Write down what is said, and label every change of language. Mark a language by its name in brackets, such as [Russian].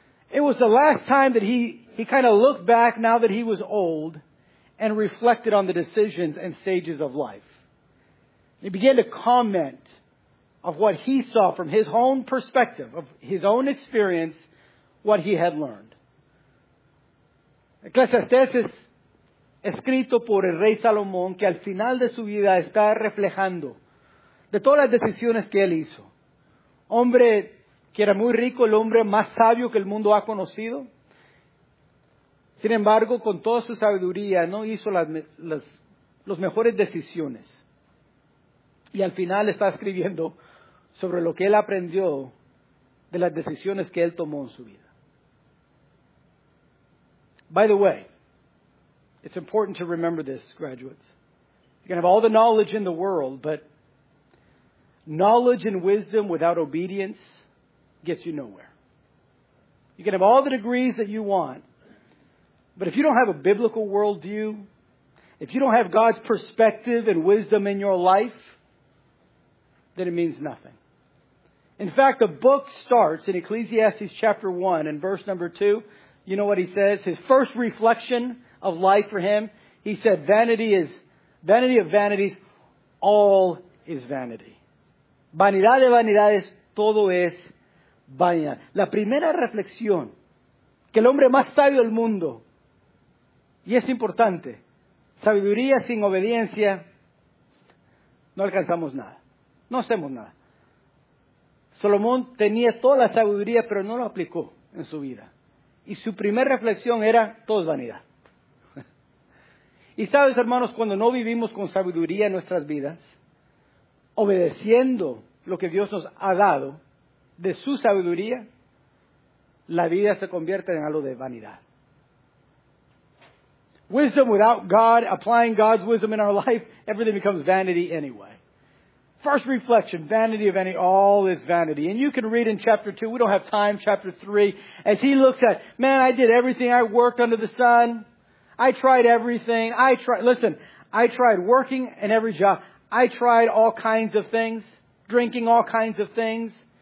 [English] It was the last time that he kind of looked back now that he was old and reflected on the decisions and stages of life. He began to comment of what he saw from his own perspective, of his own experience, what he had learned. [Spanish] Ecclesiastes es escrito por el rey Salomón, que al final de su vida está reflejando de todas las decisiones que él hizo. Hombre que era muy rico, el hombre más sabio que el mundo ha conocido. Sin embargo, con toda su sabiduría, no hizo las mejores decisiones. Y al final está escribiendo sobre lo que él aprendió de las decisiones que él tomó en su vida. [English] By the way, it's important to remember this, graduates. You can have all the knowledge in the world, but knowledge and wisdom without obedience gets you nowhere. You can have all the degrees that you want, but if you don't have a biblical worldview, if you don't have God's perspective and wisdom in your life, then it means nothing. In fact, the book starts in Ecclesiastes chapter 1 and verse number 2. You know what he says? His first reflection of life for him, he said, vanity is vanity of vanities, all is vanity. [Spanish] Vanidad de vanidades, todo es vanidad. La primera reflexión que el hombre más sabio del mundo, y es importante, sabiduría sin obediencia, no alcanzamos nada, no hacemos nada. Salomón tenía toda la sabiduría, pero no la aplicó en su vida. Y su primera reflexión era, todo es vanidad. Y sabes, hermanos, cuando no vivimos con sabiduría en nuestras vidas, obedeciendo lo que Dios nos ha dado de su sabiduría, la vida se convierte en algo de vanidad. [English] Wisdom without God, applying God's wisdom in our life, everything becomes vanity anyway. First reflection, vanity of any, all is vanity. And you can read in chapter 2, we don't have time, chapter 3, as he looks at, man, I did everything, I worked under the sun, I tried everything, I tried working in every job, I tried all kinds of things, drinking all kinds of things.